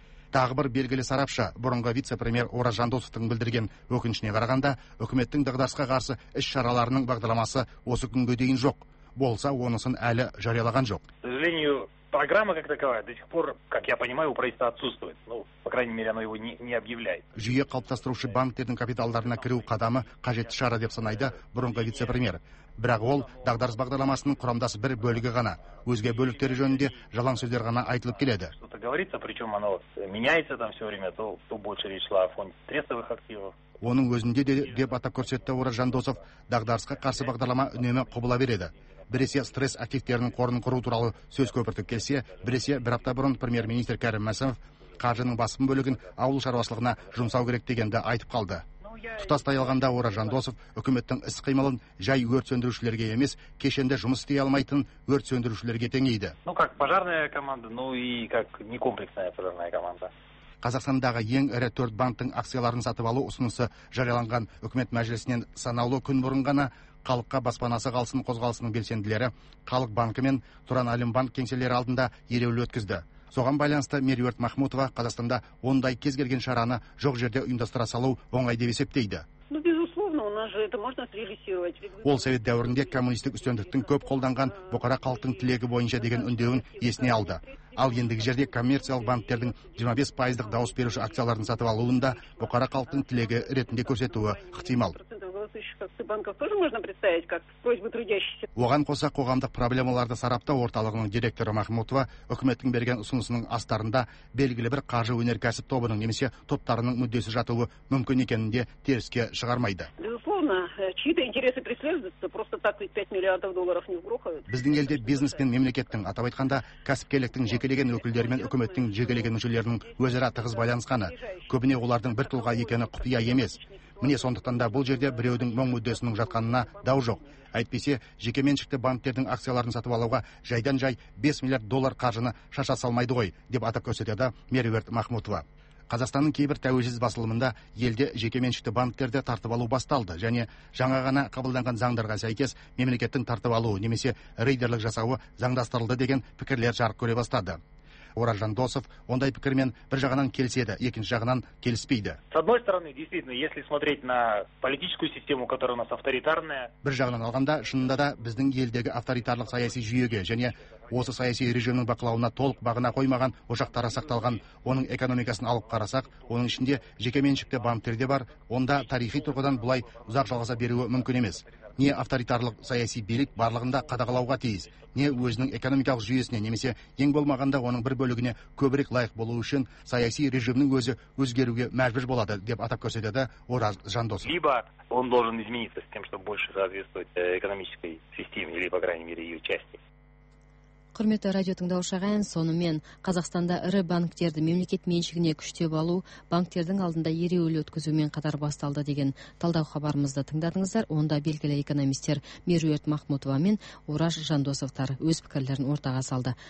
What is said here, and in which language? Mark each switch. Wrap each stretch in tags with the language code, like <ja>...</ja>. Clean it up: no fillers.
<kk>Тағы бір белгілі сарапшы, бұрынғы вице-премьер Ораз Жандосовтың білдірген өкінішіне қарағанда, үкіметтің дағдарысқа қарсы іс-шараларының бағдарламасы осы күнге дейін жоқ. Болса, онысын әлі жариялаған жоқ.</kk> <ru>Сожалению, программа как таковая до сих пор, как я понимаю, у правительства отсутствует. Ну, по крайней мере, оно его не объявляет.</ru> <kk>Жүйе қалыптастырушы банктердің капиталдарына кіру қадамы қажетті шара деп санайды бұрынғы вице-премьер. Бірақ ол дағдарыс бағдарламасының құрамдасы бір бөлігі ғана. Өзге бөліктері жөнінде жалаң сөздер ғана айтылып келеді.</kk> <ru>Что-то говорится, причем оно меняется там все время, то больше речь шла о фонде стрессовых активов.</ru> <kk>Оның өзінде де деп атап көрсетті Ораз Жандосов, дағдарысқа қарсы бағдарлама үнемі құбыла береді. Біресе стресс активтерінің қорын құру туралы сөз көпіртіп келсе, біресе бір апта бұрын премьер-министр Кәрім Мәсімов қаржының басым бөлігін ауыл шаруашылығына жұмсау керек дегенді айтып қалды. Тұтастай алғанда Ораз Жандосов үкіметтің іс-қимылын жай өрт сөндірушілерге емес, кешенде жұмыс істей алмайтын өрт сөндірушілерге теңейді.</kk> <ru>Ну как пожарная команда, ну и как некомплексная пожарная команда.</ru> <kk>Қазақстандағы ең ірі 4 банктің акцияларын сатып алу ұсынысы жарияланған үкімет мәжілісінен санаулы күн бұрын ғана халыққа баспанасы қалсын қозғалысының белсенділері Халық банкі мен Тұран Алимбанк кеңселері алдында ереулі өткізді. Соған байланысты Меруерт Махмутова Қазақстанда ондай кез келген шараны жоқ жерде ұйымдастыра салу оңай деп есептейді. Ол совет дәуірінде коммунистік үстемдіктің көп қолданған бұқара халықтың тілегі бойынша деген үндеуін есіне алды. Ал ендігі жерде коммерциялық банктердің 25%-дық дауыс беруші акцияларын сатып алуында бұқара халықтың тілегі ретінде көрсетуі ықтимал. Оған қоса қоғамдық проблемаларды сараптау орталығының директоры Махмутова үкіметтің берген ұсынысының астарында белгілі бір қаржы өнеркәсіп тобының немесе топтарының мүддесі жатуы мүмкін екенін де теріске шығармайды.</kk> <ru>Чьи-то интересы преследуются, просто так ведь 5 миллиардов долларов не вгрохают.</ru> <kk>Біздің елде бизнес пен мемлекеттің, атап айтқанда, кәсіпкерліктің жекелеген өкілдері мен үкіметтің жекелеген мүшелерінің өзара тығыз байланысқаны, көбіне олардың бір тұлға екені құпия емес. Міне сондықтан да бұл жерде біреудің мұң мүддесінің жатқанына дау жоқ. Әйтпесе, жекеменшікті банктердің акцияларын сатып алуға жайдан жай 5 миллиард доллар қаржыны шаша салмайды ғой, деп атап көрсетеді Меруерт Махмутова. Қазақстанның кейбір тәуелсіз басылымында елде жекеменшікті банктерді тартып алу басталды және жаңа ғана қабылданған заңдарға сәйкес мемлекеттің тартып алуы немесе рейдерлік жасауы заңдастырылды деген пікірлер жарық көре бастады. Ораз Жандосов ондай пікірмен бір жағынан келіседі, екінші жағынан келіспейді.</kk> <ru>С одной стороны, действительно, если смотреть на политическую систему, которая у нас авторитарная.</ru> <kk>Бір жағынан алғанда, шынында да біздің елдегі авторитарлық саяси жүйеге және осы саяси режимнің бақылауына толық бағына қоймаған ошақтары сақталған, оның экономикасын алып қарасақ, оның ішінде жекеменшікті банктер де бар, онда тарихи тұрғыдан бұлай ұзақ жалғаса беруі мүмкін емес. Не авторитарлық саяси билік барлығында қадағалауға тиіс, не өзінің экономикалық жүйесіне немесе ең болмағанда оның бір бөлігіне көбірек лайық болу үшін саяси режимнің өзі өзгеруге мәжбүр болады, деп атап көрсетеді Ораз Жандосов.</kk> <ru>Либо он должен измениться с тем, чтобы больше соответствовать экономической системе или, по крайней мере, ее части.</ru> <kk>Құрметті радио тыңдаушыларым, сонымен Қазақстанда ірі банктерді мемлекет меншігіне күштеп алу, банктердің алдында ереуіл өткізумен қатар басталды деген талдау хабарымызды тыңдадыңыздар. Онда белгілі экономистер Меруерт Махмутова мен Ораз Жандосовтар өз пікірлерін ортаға салды.</kk>